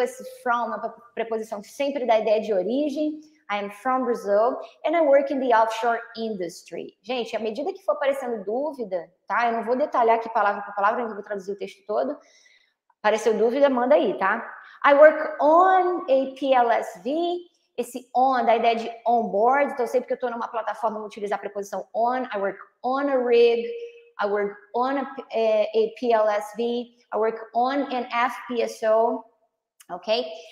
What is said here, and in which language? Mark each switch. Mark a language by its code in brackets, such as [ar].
[pt] Esse from é uma preposição sempre da ideia de origem. [en] I am from Brazil and I work in the offshore industry. [pt] Gente, à medida que for aparecendo dúvida, tá? Eu não vou detalhar aqui palavra por palavra, eu vou traduzir o texto todo. Apareceu dúvida, manda aí, tá? [en] I work on a PLSV, esse on, [pt] da ideia de [en] on board. [pt] Então, sempre que eu tô numa plataforma, eu vou utilizar a preposição on. [en] I work on a rig, I work on a PLSV, I work on an FPSO, [pt] ok?